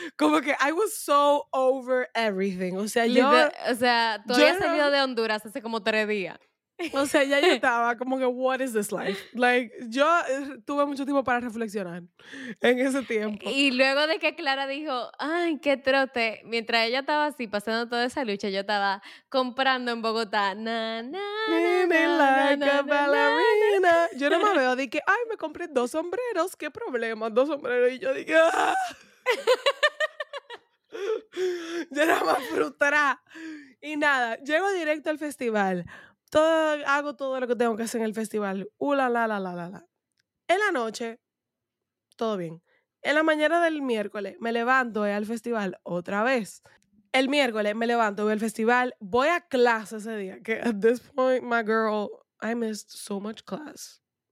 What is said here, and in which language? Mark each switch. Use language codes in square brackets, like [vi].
[es] Como que [en] I was so over everything. [es] O sea, tú habías salido de Honduras hace como 3 días. O sea, ya yo estaba como que, [en] what is this life? [es] Like, yo tuve mucho tiempo para reflexionar en ese tiempo. Y luego de que Clara dijo, ay, qué trote, mientras ella estaba así pasando toda esa lucha, yo estaba comprando en Bogotá. Na, na, na, na, [en] like na, na, na, na, na. [es] Yo no me veo, dije, ay, me compré dos sombreros, qué problema, dos sombreros. Y yo dije, ah. Yo era más frustrada. Y nada, llego directo al festival. Hago todo lo que tengo que hacer en el festival. En la noche, todo bien. En la mañana del miércoles, me levanto, voy al festival otra vez. El miércoles, me levanto, voy al festival. Voy a clase ese día. Que [en] at this point, my girl, I missed so much class.